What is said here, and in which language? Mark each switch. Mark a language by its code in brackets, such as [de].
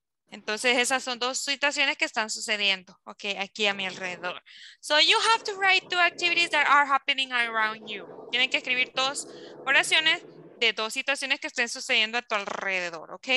[es] Entonces esas son 2 situaciones que están sucediendo, ¿ok? Aquí a mi alrededor. [en] So you have to write 2 activities that are happening around you. [es] Tienen que escribir 2 oraciones de 2 situaciones que estén sucediendo a tu alrededor, ¿ok?